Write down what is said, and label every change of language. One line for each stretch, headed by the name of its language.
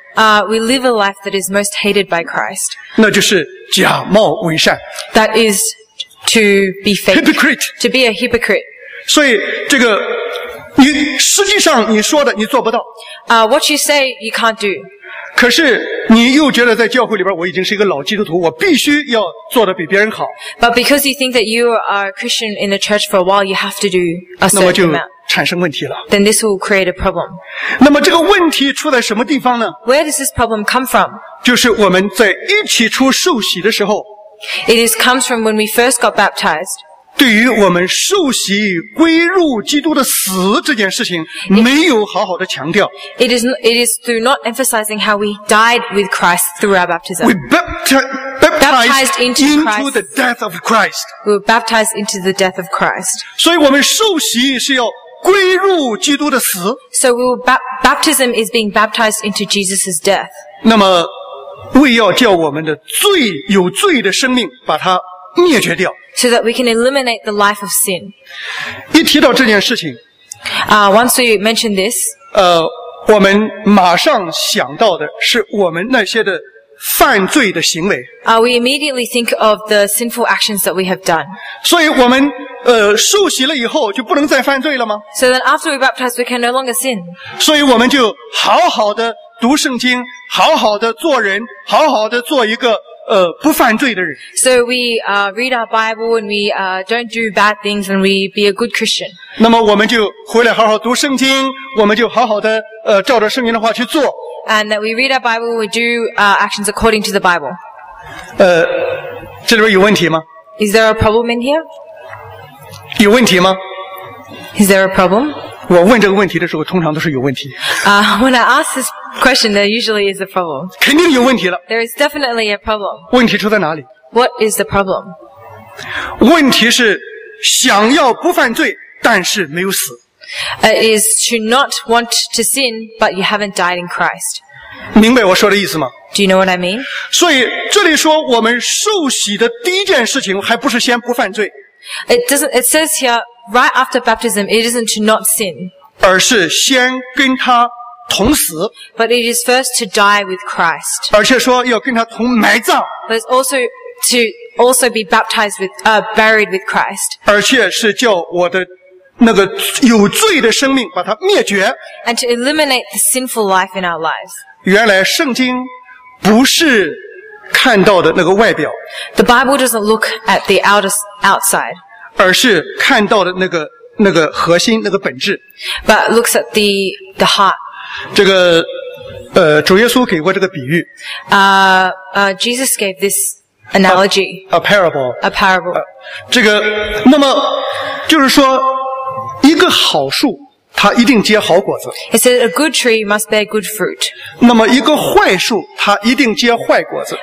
English: We live a life that is most hated by Christ.
Chinese: 那就是假冒伪善。
English: That is to be fake. Hypocrite. To be a hypocrite.
Chinese: 所以这个你实际上你说的你做不到。
English: What you say, you can't do.
Chinese: 可是你又觉得在教会里边我已经是一个老基督徒，我必须要做得比别人好。
English: But because you think that you are a Christian in the church for a while, you have to do a certain amount.
Chinese: 那么就产生问题了。
English: Then this will create a problem.
Chinese: 那么这个问题出在什么地方呢？
English: Where does this problem come from?
Chinese: 就是我们在一起出受洗的时候。
English: It is comes from when we first got baptized.
Chinese: 对于我们受洗归入基督的死这件事情没有好好的强调。
English: It is through not emphasizing how we died with Christ through our baptism. We baptized into the death of Christ. We were baptized into the death of Christ.
Chinese: 所以我们受洗是要归入基督的死。
English: So baptism is being baptized into Jesus' death.
Chinese: 那么为要叫我们的罪有罪的生命把它灭绝掉。
English: So that we can eliminate the life of sin.
Chinese: 一提到这件事情。
English: Once we mention this.
Chinese: 我们马上想到的是我们那些的犯罪的行为。
English: We immediately think of the sinful actions that we have done.
Chinese: 所以我们受洗了以后就不能再犯罪了吗？
English: So then after we baptize, we can no longer sin.
Chinese: 所以我们就好好的读圣经，好好的做人，好好的做一个不犯罪的人。
English: So we read our Bible and we don't do bad things and we be a good Christian.
Chinese: 那么我们就回来好好读圣经，我们就好好的照着圣经的话去做。
English: And that we read our Bible, we do actions according to the Bible.
Chinese: 这里边有问题吗？
English: Is there a problem in here?
Chinese: 有问题吗？
English: Is there a problem?
Chinese: 我问这个问题的时候，通常都是有问题。
English: When I ask this question, there usually is a problem.
Chinese: 肯定有问题了。
English: There is definitely a problem.
Chinese: 问题出在哪里？
English: What is the problem?
Chinese: 问题是想要不犯罪，但是没有死。
English: Is to not want to sin, but you haven't died in Christ.
Chinese: 明白我说的意思吗？
English: Do you know what I mean?
Chinese: 所以这里说我们受洗的第一件事情还不是先不犯罪。
English: It says here, right after baptism, it isn't to not sin.
Chinese: 而是先跟他同死。
English: But it is first to die with Christ.
Chinese: 而且说要跟他同埋葬。
English: But it's also to also be baptized with, buried with Christ.
Chinese: 而且是叫我的那个有罪的生命把它灭绝。
English: And to eliminate the sinful life in our lives.
Chinese: 原来圣经不是看到的那个外表。
English: The Bible doesn't look at the outside.
Chinese: 而是看到的那个核心，那个本质。
English: But looks at the heart.
Chinese: 这个主耶稣给过这个比喻。
English: Jesus gave this analogy. A parable. A parable.
Chinese: 这个那么就是说，一个好树，它一定结好果子。
English: It said a good tree must bear good fruit.
Chinese: 那么一个坏树，它一定结坏果子。